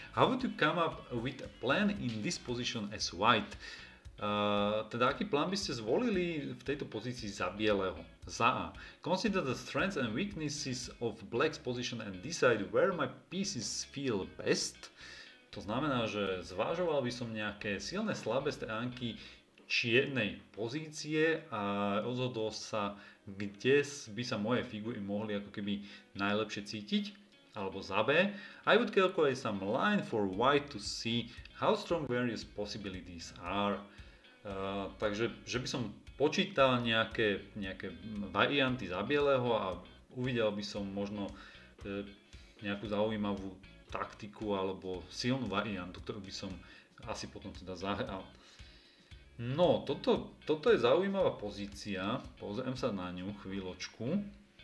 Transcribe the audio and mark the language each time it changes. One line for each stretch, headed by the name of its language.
English: How would you come up with a plan in this position as white?
Slovak: Teda aký plán by ste zvolili v tejto pozícii za bieleho? Za A.
English: Consider the strengths and weaknesses of black's position and decide where my pieces feel best.
Slovak: To znamená, že zvažoval by som nejaké silné, slabé stránky čiernej pozície a rozhodol sa, kde by sa moje figury mohli ako keby najlepšie cítiť. Alebo za B.
English: I would calculate some line for white to see how strong various possibilities are.
Slovak: Takže, že by som počítal nejaké varianty za bieleho a uvidel by som možno nejakú zaujímavú taktiku alebo silnú variantu, ktorú by som asi potom teda zahral. No, toto je zaujímavá pozícia. Pozriem sa na ňu chvíľočku.